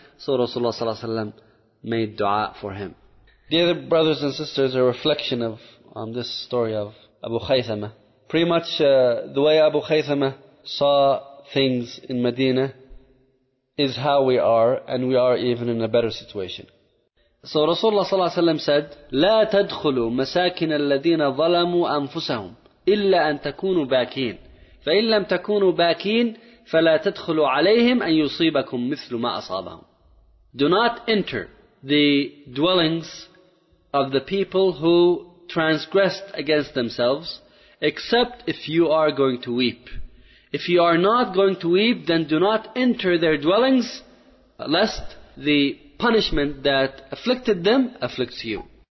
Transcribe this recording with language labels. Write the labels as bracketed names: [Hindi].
[English] So Rasulullah ﷺ made dua for him. Dear brothers and sisters, a reflection on this story of Abu Khaythama. Pretty much the way Abu Khaythama saw things in Medina is how we are, and we are even in a better situation. [Arabic] So Rasulullah صلى الله عليه وسلم said, لا تدخلوا مساكن الذين ظلموا أنفسهم إلا أن تكونوا باكين فإن لم تكونوا باكين فلا تدخلوا عليهم أن يصيبكم مثل ما أصابهم. [English] Do not enter the dwellings of the people who transgressed against themselves, except if you are going to weep. If you are not going to weep, then do not enter their dwellings, lest the punishment that afflicted them afflicts you.